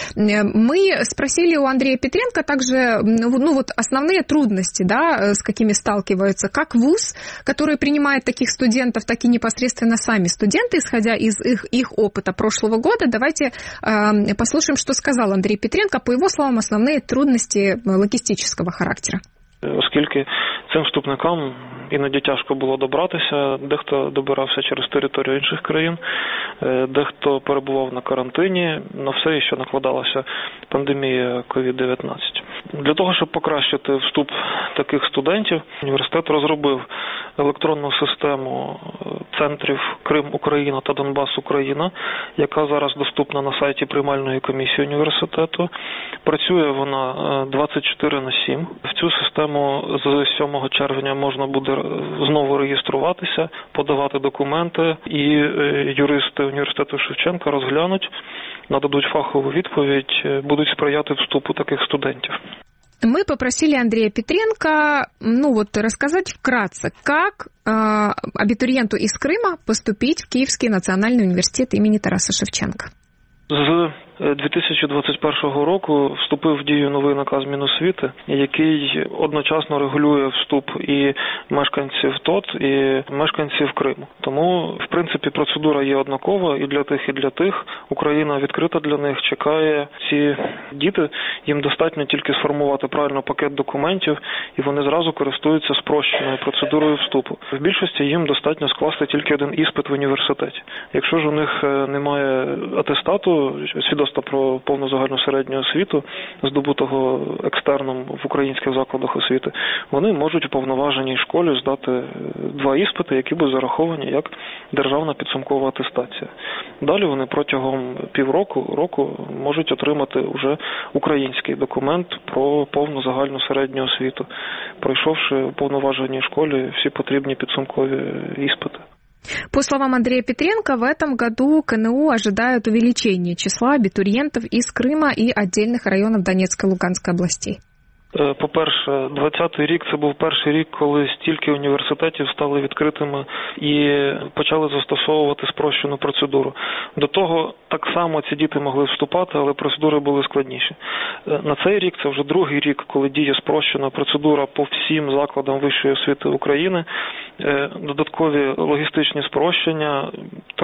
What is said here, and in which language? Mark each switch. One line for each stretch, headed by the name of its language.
Russian: Мы спросили у Андрея Петренко также, ну, вот основные трудности, да, с какими сталкиваются как вуз, который принимает таких студентов, так и непосредственно сами студенты, исходя из их опыта прошлого года. Давайте послушаем, что сказал Андрей Петренко. По его словам, основные трудности логистического характера.
Ukrainian: Оскільки цим вступникам іноді тяжко було добратися, дехто добирався через територію інших країн, дехто перебував на карантині, на все, що накладалася пандемія COVID-19. Для того, щоб покращити вступ таких студентів, університет розробив електронну систему центрів Крим-Україна та Донбас-Україна, яка зараз доступна на сайті приймальної комісії університету. Працює вона 24/7. В цю систему з 7 червня можна буде знову реєструватися, подавати документи, і юристи університету Шевченка розглянуть, нададуть фахову відповідь, будуть сприяти вступу таких студентів.
Russian: Мы попросили Андрея Петренко, ну вот, рассказать вкратце, как абитуриенту из Крыма поступить в Киевский национальный университет имени Тараса Шевченко.
Ukrainian: З 2021 року вступив в дію новий наказ Міносвіти, який одночасно регулює вступ і мешканців ТОТ, і мешканців Криму. Тому, в принципі, процедура є однакова і для тих, і для тих. Україна відкрита для них, чекає ці діти. Їм достатньо тільки сформувати правильно пакет документів, і вони зразу користуються спрощеною процедурою вступу. В більшості їм достатньо скласти тільки один іспит в університеті. Якщо ж у них немає атестату, свідоцтва про повну загальну середню освіту, здобутого екстерном в українських закладах освіти, вони можуть у повноваженій школі здати два іспити, які будуть зараховані як державна підсумкова атестація. Далі вони протягом півроку-року можуть отримати вже український документ про повну загальну середню освіту, пройшовши у повноваженій школі всі потрібні підсумкові іспити.
Russian: По словам Андрея Петренко, в этом году КНУ ожидают увеличения числа абитуриентов из Крыма и отдельных районов Донецкой и Луганской областей.
Ukrainian: По-перше, 20-й рік – це був перший рік, коли стільки університетів стали відкритими і почали застосовувати спрощену процедуру. До того так само ці діти могли вступати, але процедури були складніші. На цей рік – це вже другий рік, коли діє спрощена процедура по всім закладам вищої освіти України. Додаткові логістичні спрощення –